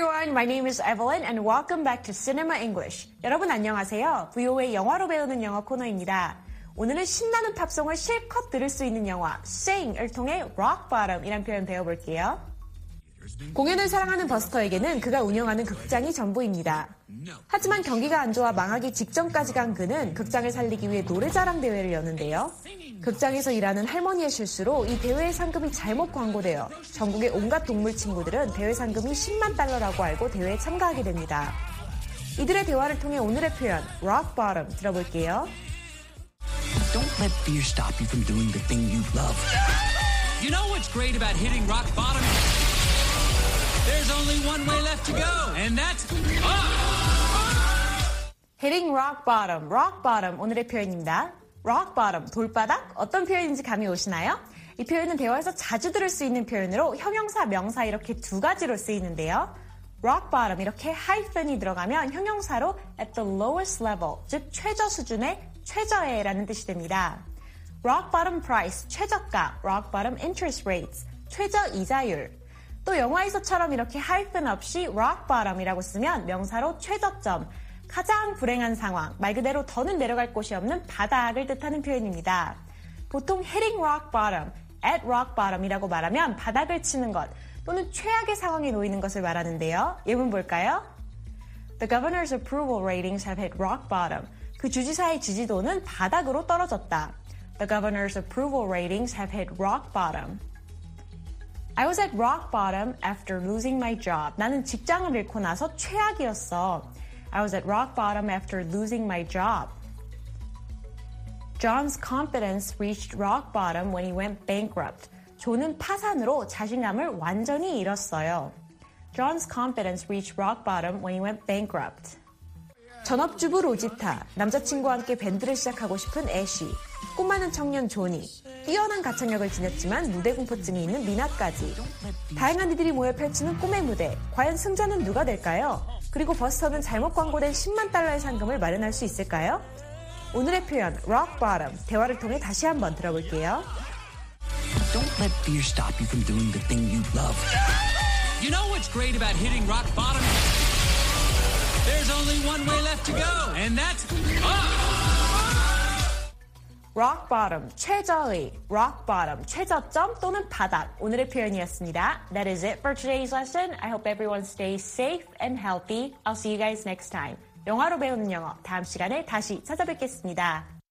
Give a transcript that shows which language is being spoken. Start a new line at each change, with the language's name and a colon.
English: My name is Evelyn and welcome back to Cinema English.
Korean: 여러분 안녕하세요. VOA 영화로 배우는 영어 코너입니다. 오늘은 신나는 팝송을 실컷 들을 수 있는 영화 Sing을 통해 Rock Bottom이란 표현 배워볼게요. 공연을 사랑하는 버스터에게는 그가 운영하는 극장이 전부입니다. 하지만 경기가 안 좋아 망하기 직전까지 간 그는 극장을 살리기 위해 노래자랑 대회를 여는데요. 극장에서 일하는 할머니의 실수로 이 대회의 상금이 잘못 광고되어 전국의 온갖 동물 친구들은 대회 상금이 10만 달러라고 알고 대회에 참가하게 됩니다. 이들의 대화를 통해 오늘의 표현 Rock Bottom 들어볼게요.
English: Don't let fear stop you from doing the thing you love. You know what's great about hitting rock bottom? There's only one way left to go, and that's up. Hitting rock bottom, rock bottom.
Korean: 오늘의 표현입니다.
English: Rock bottom,
Korean: 돌바닥. 어떤 표현인지 감이 오시나요? 이 표현은 대화에서 자주 들을 수 있는 표현으로 형용사, 명사 이렇게 두 가지로 쓰이는데요. Rock bottom 이렇게 hyphen이 들어가면 형용사로
English: at the lowest level,
Korean: 즉 최저 수준의 최저에라는 뜻이 됩니다.
English: Rock bottom price,
Korean: 최저가,
English: rock bottom interest rates,
Korean: 최저 이자율. 또 영화에서처럼 이렇게 hyphen 없이 rock bottom이라고 쓰면 명사로 최저점, 가장 불행한 상황, 말 그대로 더는 내려갈 곳이 없는 바닥을 뜻하는 표현입니다. 보통 hitting rock bottom, at rock bottom이라고 말하면 바닥을 치는 것, 또는 최악의 상황에 놓이는 것을 말하는데요. 예문 볼까요?
English: The governor's approval ratings have hit rock bottom.
Korean: 그 주지사의 지지도는 바닥으로 떨어졌다.
English: The governor's approval ratings have hit rock bottom. I was at rock bottom after losing my job.
Korean: 나는 직장을 잃고 나서 최악이었어.
English: I was at rock bottom after losing my job. John's confidence reached rock bottom when he went bankrupt.
Korean: 존은 파산으로 자신감을 완전히 잃었어요.
English: John's confidence reached rock bottom when he went bankrupt.
Korean: 전업주부 로지타, 남자친구와 함께 밴드를 시작하고 싶은 애쉬, 꿈 많은 청년 조니, 뛰어난 가창력을 지녔지만 무대 공포증이 있는 미나까지. 다양한 이들이 모여 펼치는 꿈의 무대, 과연 승자는 누가 될까요? 그리고 버스터는 잘못 광고된 10만 달러의 상금을 마련할 수 있을까요? 오늘의 표현, rock bottom, 대화를 통해 다시 한번 들어볼게요.
English: Don't let fear stop you from doing the thing you love. You know what's great about hitting rock bottom? There's only one way left to go, and that's up! Rock bottom,
Korean: 최저의. Rock bottom, 최저점 또는 바닥. 오늘의 표현이었습니다.
English: That is it for today's lesson. I hope everyone stays safe and healthy. I'll see you guys next time.
Korean: 영화로 배우는 영어, 다음 시간에 다시 찾아뵙겠습니다.